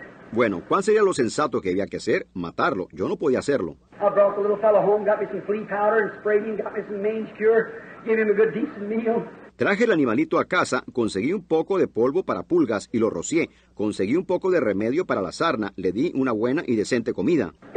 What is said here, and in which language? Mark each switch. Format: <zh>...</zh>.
<es>Bueno, ¿cuál sería lo sensato que había que hacer? Matarlo. Yo no podía hacerlo.</es> <en>I brought the little fellow home, got me some flea powder and sprayed him, got me some mange cure, gave him a good decent meal.</en> <es>Traje el animalito a casa, conseguí un poco de polvo para pulgas y lo rocié. Conseguí un poco de remedio para la sarna, le di una buena y decente comida.</es>